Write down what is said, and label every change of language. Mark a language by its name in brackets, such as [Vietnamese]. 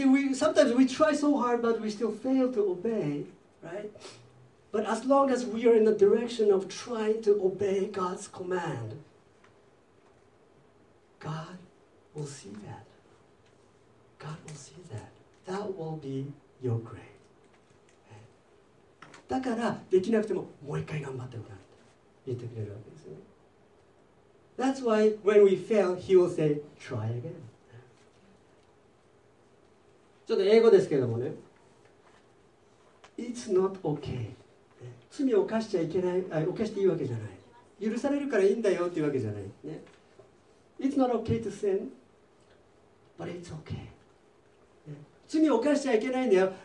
[English] You see, we, sometimes we try so hard but we still fail to obey, right? But as long as we are in the direction of trying to obey God's command, God will see that. God will see that. That will be your grace. [Japanese] だからできなくてももう一回頑張ってもらうと言ってくれるわけですね。 [English] That's why when we fail, he will say, try again. [Japanese] ちょっと英語ですけれどもね。 [English] It's not okay. [Japanese] 罪を犯しちゃいけない、犯していいわけじゃない。許されるからいいんだよっていうわけじゃない。ね、 [English] It's not okay to sin, but it's okay.、 [Japanese] ね、罪を犯しちゃいけないんだよ。